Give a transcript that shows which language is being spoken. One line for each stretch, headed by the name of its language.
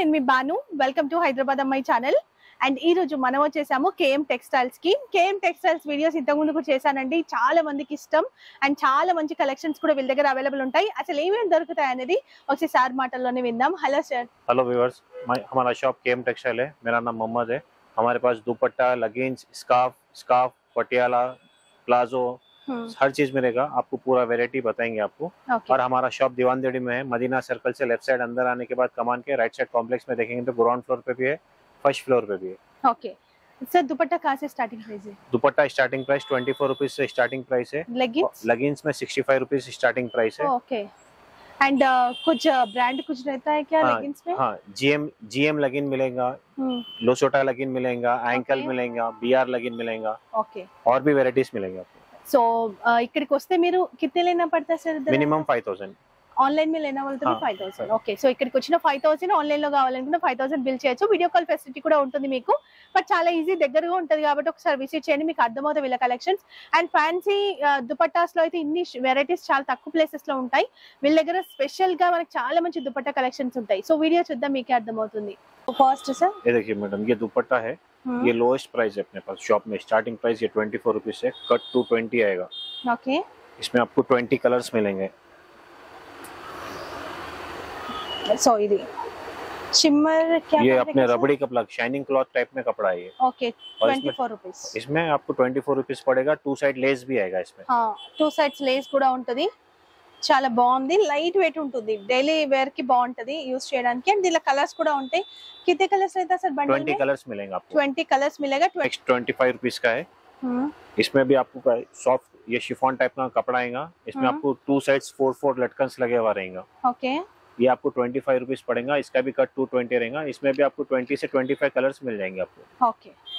Telugu: Banu welcome to Hyderabad అమ్మాయి channel and ఈ రోజు మనం వచ్చేసాము కేఎం టెక్స్టైల్స్ కి కేఎం టెక్స్టైల్స్ వీడియోస్ ఇంతకు ముందుకు చేశానండి చాలా మందికి ఇష్టం అండ్ చాలా మంచి కలెక్షన్స్ కూడా వీళ్ళ దగ్గర అవైలబుల్ ఉంటాయి అసలు ఏమేం దొరుకుతాయి అనేది ఒకసారి సార్ మాటల్లోనే విందాం హలో సార్
Hindi: హలో వ్యూవర్స్ హమారా షాప్ కేఎం టెక్స్టైల్ హై మేరా నామ్ Mohammed high హమారే pass dupatta luggage scarf scarf Patiala palazzo हर चीज मिलेगा आपको पूरा वैरायटी बताएंगे आपको
English: okay.
Hindi: और हमारा शॉप दीवानदेड़ी में है मदीना सर्कल से लेफ्ट साइड अंदर आने के बाद कमान के राइट साइड कॉम्प्लेक्स में देखेंगे तो ग्राउंड फ्लोर पे भी है फर्स्ट फ्लोर पे भी है ओके सर दुपट्टा कहाँ से स्टार्टिंग प्राइस है दुपट्टा स्टार्टिंग प्राइस 24 रुपीज से स्टार्टिंग प्राइस है लेगिंग्स में 65 रुपीज स्टार्टिंग प्राइस है ओके एंड कुछ ब्रांड कुछ रहता है क्या लेगिंग्स में हाँ जीएम जीएम लगिन मिलेगा लोसोटा लगिन मिलेगा एंकल मिलेगा बीआर लगिन मिलेगा ओके और भी वेराइटीज मिलेंगे आपको
Telugu: सो ఇక్కడికి వస్తే మీరు
Hindi: కిట్ని లేనా పడతా
Telugu: సార్
English: minimum 5000
Hindi: ఆన్లైన్ మే లేనా
Telugu: వల్తది 5000 ఓకే సో ఇక్కడికి వచ్చిన 5000 ఆన్లైన్ లో కావాలనుకుంటే 5000 బిల్ చేయొచ్చు వీడియో కాల్ ఫెసిలిటీ కూడా ఉంటుంది మీకు బట్ చాలా ఈజీ దగ్గరగా ఉంటది కాబట్టి ఒకసారి విజిట్ చేయండి మీకు అర్థమవుతది వీళ్ళ కలెక్షన్స్ అండ్ ఫ్యాన్సీ దుపట్టాస్ లో అయితే ఇన్ని వెరైటీస్ చాలా తక్కువ ప్లేసెస్ లో ఉంటాయి వీళ్ళ దగ్గర స్పెషల్ గా మనకి చాలా మంచి దుపట్టా కలెక్షన్స్ ఉంటాయి సో వీడియో చూద్దాం మీకు అర్థమవుతుంది ఫస్ట్ సార్
Hindi: ఇదేకి మేడం ఇది దుపట్టా హై ये लोएस्ट प्राइस है अपने पास शॉप में स्टार्टिंग प्राइस ये 24 रुपीस है कट 220 आएगा
English: okay
Hindi: इसमें आपको 20 कलर्स मिलेंगे सो ये शिमर क्या ये अपने रबड़ी कपड़ा शाइनिंग क्लॉथ टाइप में कपड़ा है ये
English: okay 24 rupees
Hindi: इसमें आपको 24 रुपीस पड़ेगा टू साइड लेस भी आएगा इसमें
Telugu: हां टू साइड्स लेस కూడా ఉంటది చాలా బాగుంది లైట్ వెయిట్ ఉంటుంది డైలీ వేర్ కి బాగుంటది యూస్ చేయడానికి అండ్ దీని కలర్స్ కూడా ఉంటాయి
Hindi: కితే కలర్స్
Telugu: అయితే సార్ బండిల్
Hindi: 20 కలర్స్ మిలేగా आपको 20 కలర్స్ మిలేగా 25 రూపాయస్ కా హై ఇస్మే భీ आपको సాఫ్ట్ ये शिफॉन टाइप का कपड़ा आएगा इसमें आपको टू साइड्स फोर फोर लटकन्स लगे हुआ रहेगा
English: okay
Hindi: ये आपको 25 रुपीस पड़ेगा इसका भी कट 220 रहेगा इसमें भी आपको 20 से 25 कलर्स मिल जाएंगे आपको
English: okay